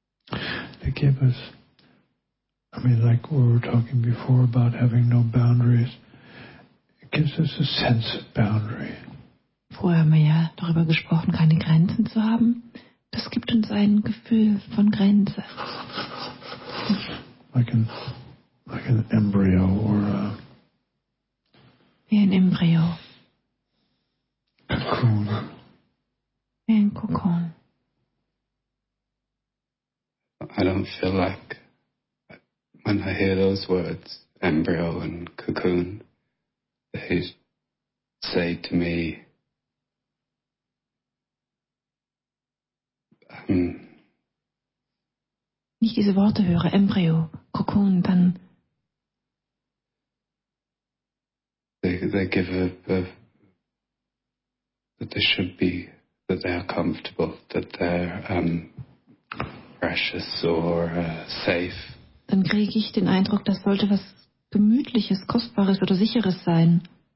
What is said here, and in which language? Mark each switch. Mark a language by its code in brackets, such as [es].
[en] They give us, I mean, like we were talking before about having no boundaries. It gives us a sense of boundary. [de] Vorher haben wir ja darüber gesprochen, keine Grenzen zu haben. Das gibt uns ein Gefühl von Grenze. [en] Like an embryo or a [de] wie ein Embryo. [en] Cocoon. [de] Wie ein Kokon. [en] I don't feel like when I hear those words, embryo and cocoon, they say to me, [de] wenn ich diese Worte höre, Embryo, Kokon, dann [en] they give a that they should be, that they are comfortable, that they're precious or safe. [de] Dann kriege ich den Eindruck, das sollte was Gemütliches, Kostbares oder Sicheres sein.